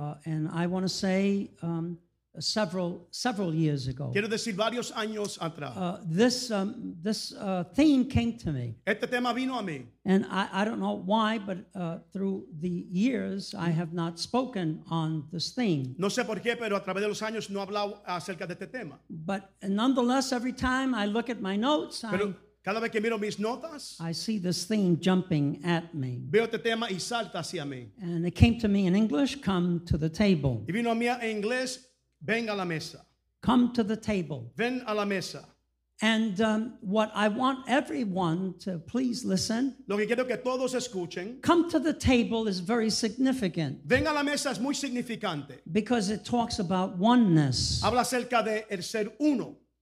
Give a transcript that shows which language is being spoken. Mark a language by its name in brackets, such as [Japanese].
[English] and I want to say several years ago. [Spanish] Quiero decir varios años atrás. [English] This theme came to me. [Spanish] Este tema vino a mí. [English] And I don't know why, but through the years I have not spoken on this theme. [Spanish] No sé por qué, pero a través de los años no he hablado acerca de este tema. [English] But nonetheless, every time I look at my notes, [Spanish] cada vez que miro mis notas, [English] I see this theme jumping at me. [Spanish] Veo este tema y salta hacia mí. [English] And it came to me in English, come to the table. [Spanish] Y vino a mí en inglés, ven a la mesa. [English] Come to the table. [Spanish] Ven a la mesa. [English] And what I want everyone to please listen. [Spanish] Lo que quiero que todos escuchen. [English] Come to the table is very significant. [Spanish] Ven a la mesa es muy significante. [English] Because it talks about oneness. [Spanish] Habla acerca de el ser uno.